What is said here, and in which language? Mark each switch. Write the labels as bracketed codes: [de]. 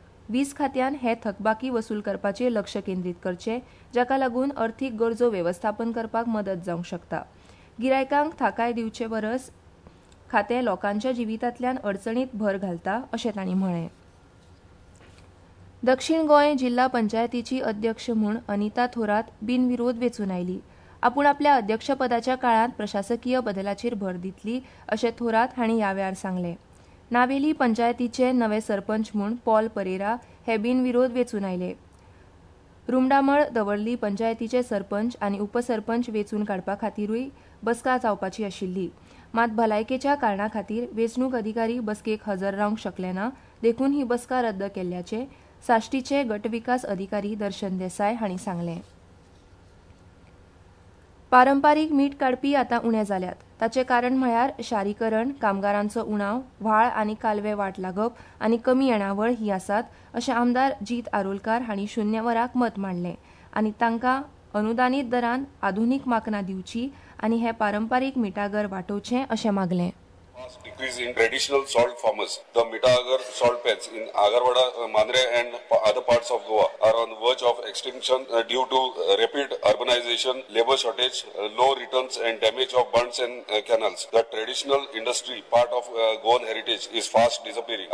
[gom] वीज खात्यान हे थकबाकी वसूल करपाचेर लक्ष केंद्रीत करचे जाका लागून अर्थीक गरजो वेवस्थापन करपाक मदत जावंक शकता. गिरायकांक थाकाय दिवचे परस खातें लोकांच्या जिवितांतल्यान अडचणीत भर घालता अशें तांणी म्हळें. दक्षीण गोंय जिल्हा पंचायतीची अध्यक्ष म्हूण अनिता थोरात बिनविरोध वेंचून आयली. आपूण आपल्या अध्यक्षपदाच्या काळांत प्रशासकीय बदलाचेर भर दितली अशें थोरात हांणी ह्या वेळार सांगलें. नावेली पंचायतीचे नवे सरपंच म्हूण पॉल परेरा हे बिनविरोध वेंचून आयले. रुमडामळ दवरली पंचायतीचे सरपंच आनी उपसरपंच वेंचून काडपा खातीरूय बसका जावपाची आशिल्ली, मात भलायकेच्या कारणा खातीर वेंचणूक अधिकारी बसकेक हजर रावंक शकले ना देखून ही बसका रद्द केल्ल्याचे साश्टीचे गटविकास अधिकारी दर्शन देसाय हांणी सांगले. पारंपारीक मीठ काडपी आतां उणे जाल्यात. ताचे कारण म्हळ्यार शारीकरण, कामगारांचो उणाव, व्हाळ आनी कालवे वाट लागप आनी कमी येणावळ ही आसात अशें आमदार जीत आरोलकार हांणी 0 वराक मत मांडलें आनी तांकां अनुदानीत दरान आधुनीक माकना दिवची आनी हे पारंपारीक मिठागर वाटोवचे अशें मागलें. [en] Decrease in traditional salt farmers. The Mitagar salt pans in Agarwada, Mandre and other parts of Goa are on the verge of extinction due to rapid urbanization, labor shortage, low returns and damage of burns and canals. The traditional industry, part of Goan heritage, is fast disappearing.